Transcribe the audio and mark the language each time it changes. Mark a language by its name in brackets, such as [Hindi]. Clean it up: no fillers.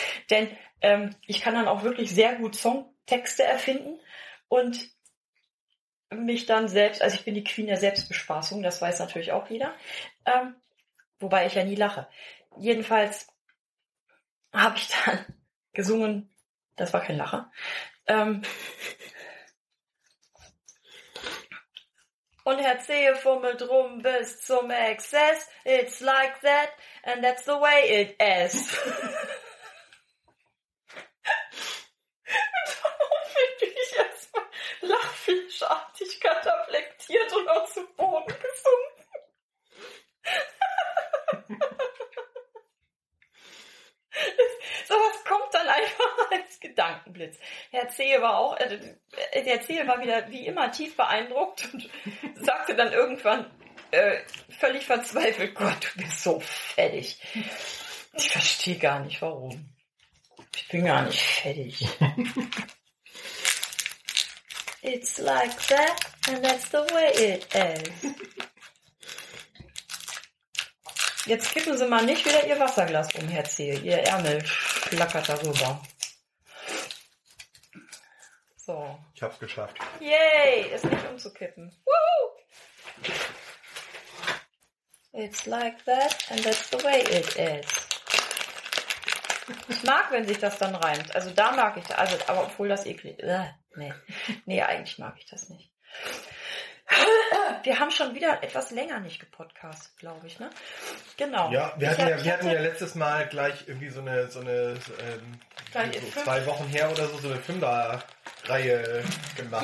[German] Denn ich kann dann auch wirklich sehr gut Songtexte erfinden und mich dann selbst, also ich bin die Queen der Selbstbespaßung, das weiß natürlich auch jeder. Wobei ich ja nie lache. Jedenfalls habe ich dann gesungen, das war kein Lacher. Und Herr Zehe fummelt rum bis zum Exzess. [English] It's like that and that's the way it is. [German] Und darum bin ich erstmal lachfischartig kataplektiert und auch zu Boden gesunken. Sowas kommt dann einfach als Gedankenblitz. Herr Zehe war auch, der Zehe war wieder wie immer tief beeindruckt und sagte dann irgendwann völlig verzweifelt, Gott, du bist so fettig. Ich verstehe gar nicht, warum. Ich bin gar nicht fettig. [English] It's like that and that's the way it is. [German] Jetzt kippen Sie mal nicht wieder Ihr Wasserglas um, Herr Zehe. Ihr Ärmel flackert darüber. So. Ich hab's geschafft. Yay, ist nicht umzukippen. Woo! [English] It's like that and that's the way it is. [German] Ich mag, wenn sich das dann reimt. Also da mag ich das. Also, aber obwohl das eklig ist. Nee, eigentlich mag ich das nicht. Wir haben schon wieder etwas länger nicht gepodcastet, glaube ich, ne? Genau. Ja, wir hatten ja letztes Mal gleich irgendwie so zwei Wochen her oder so eine Fünferreihe gemacht.